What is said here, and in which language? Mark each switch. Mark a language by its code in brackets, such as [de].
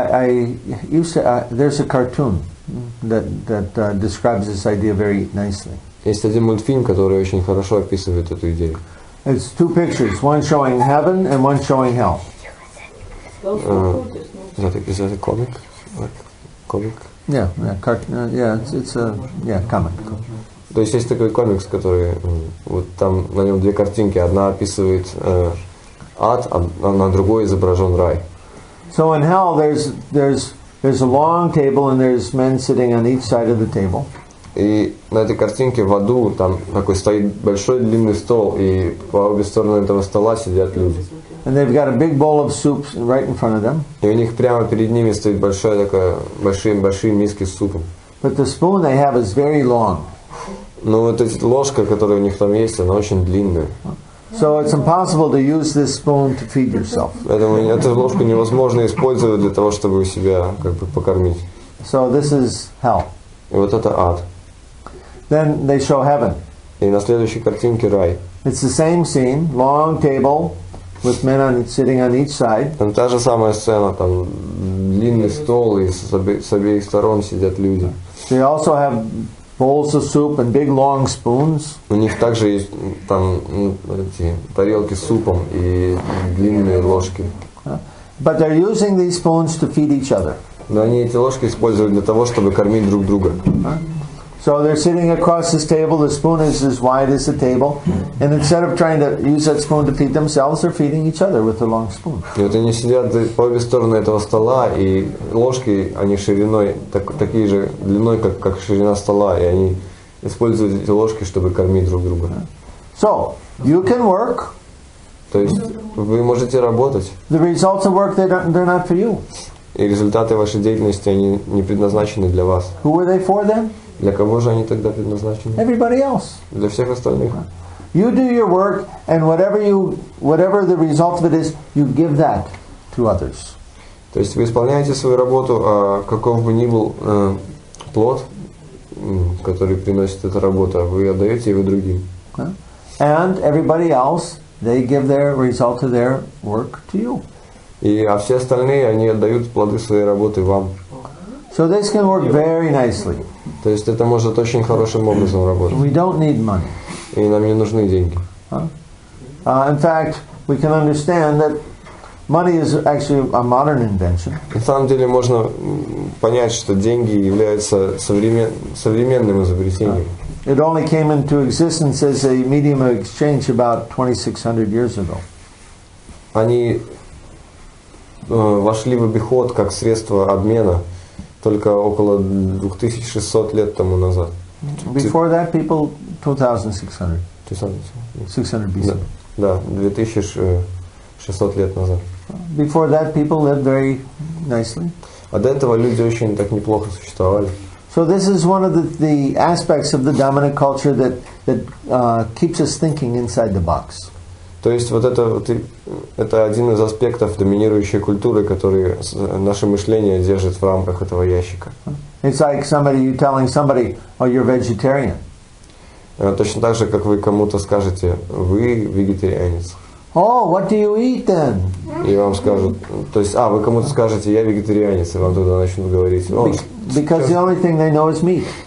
[en] There's a cartoon that describes this idea very nicely. [ru] Есть один мультфильм, который очень хорошо описывает эту идею. [en] It's two pictures, one showing heaven and one showing hell. Is that a comic? Comic? Yeah, it's a comic. [ru] То есть есть такой комикс, который вот там на нем две картинки. Одна описывает ад, а на другой изображен рай. [en] So in hell there's a long table and there's men sitting on each side of the table. [ru] И на этой картинке в аду там такой стоит большой длинный стол, и по обе стороны этого стола сидят люди. [en] And they've got a big bowl of soup right in front of them. [ru] И у них прямо перед ними стоит большая такая большие миски с супом. [en] But the spoon they have is very long. [ru] Но вот эта ложка, которая у них там есть, она очень длинная. [en] So it's impossible to use this spoon to feed yourself. [ru] Поэтому эту ложку невозможно использовать для того, чтобы себя как бы покормить. [en] So this is hell. [ru] И вот это ад. [en] Then they show heaven. [ru] И на следующей картинке рай. [en] It's the same scene, long table. With men on sitting on each side. [ru] Там та же самая сцена, там длинный стол и с обеих сторон сидят люди. [en] They also have bowls of soup and big long spoons. [ru] У них также есть там эти тарелки с супом и длинные ложки. [en] But they're using these spoons to feed each other. [ru] Но они эти ложки используют для того, чтобы кормить друг друга. [en] So they're sitting across this table, the spoon is as wide as the table, and instead of trying to use that spoon to feed themselves, they're feeding each other with a long spoon. [ru] И вот они сидят по обе стороны этого стола, и ложки, они шириной, такие же длиной, как ширина стола, и они используют эти ложки, чтобы кормить друг друга. [en] So, you can work. [ru] То есть, вы можете работать. [en] The results of work, they're not for you. [ru] И результаты вашей деятельности, они не предназначены для вас. [en] Who are they for then? [ru] Для кого же они тогда предназначены? [en] Everybody else. [ru] Для всех остальных. [en] You do your work, and whatever the result of it is, you give that to others. [ru] То есть вы исполняете свою работу, а каков бы ни был плод, который приносит эта работа, вы отдаете его другим. [en] And everybody else, they give their result of their work to you. [ru] И а все остальные, они отдают плоды своей работы вам. [en] So this can work very nicely. [ru] То есть это может очень хорошим образом работать. [en] We don't need money. [ru] И нам не нужны деньги. [en] In fact, we can understand that money is actually a modern invention. [ru] На самом деле можно понять, что деньги являются современным изобретением. [en] It only came into existence as a medium of exchange about 2600 years ago. [ru] Они вошли в обиход как средство обмена только около 2600 лет тому назад. [en] Before that people 2600 BC. [ru] Да, 2600 лет назад. [en] Before that people lived very nicely. [ru] А до этого люди очень так неплохо существовали. [en] So this is one of the aspects of the dominant culture that keeps us thinking inside the box. [ru] То есть вот это один из аспектов доминирующей культуры, который наше мышление держит в рамках этого ящика. [en] It's like somebody you telling somebody, oh, you're vegetarian. [ru] Точно так же, как вы кому-то скажете, вы вегетарианец. [en] Oh, what do you eat then? [ru] И вам скажут, то есть, вы кому-то скажете, я вегетарианец, и вам тогда начнут говорить, [en] Because the only thing they know is meat.